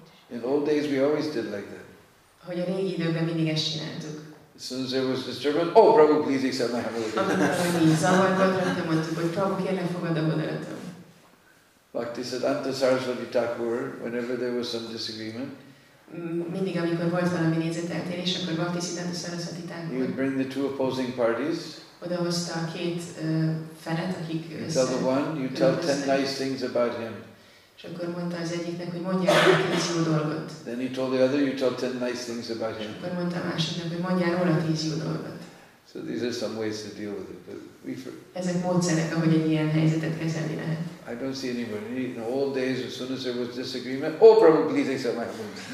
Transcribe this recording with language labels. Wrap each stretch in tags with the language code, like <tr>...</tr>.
<en>In old days, we always did like that.</en> <hu>Hogy a régi időben mindig ezt csináltuk.</hu> <en>As soon as there was disturbance, oh, Prabhu, please accept my humble obeisances. Bhakti Siddhanta Saraswati Thakur, whenever there was some disagreement,</en> <hu>mindig amikor volt valami nézeteltérés, akkor Bhakti Siddhanta Saraswati Thakur,</hu> <en>he would bring the two opposing parties.</en> <hu>Odahozta a két felet, akik össze.</hu> <en>Tell the one, you tell 10 nice things about him.</en> <hu>És akkor mondta az egyiknek, hogy mondjál róla 10 jó dolgot.</hu> <en>Then he told the other, you told 10 nice things about him.</en> <hu>És akkor mondta a másiknak, hogy mondjál róla 10 jó dolgot.</hu> <en>So these are some ways to deal with it. But</en> <hu>ezek módszerek, ahogy egy ilyen helyzetet kezelni lehet.</hu> <en>I don't see anybody. In the old days, as soon as there was disagreement, oh, Prabhu, please accept my humble</en>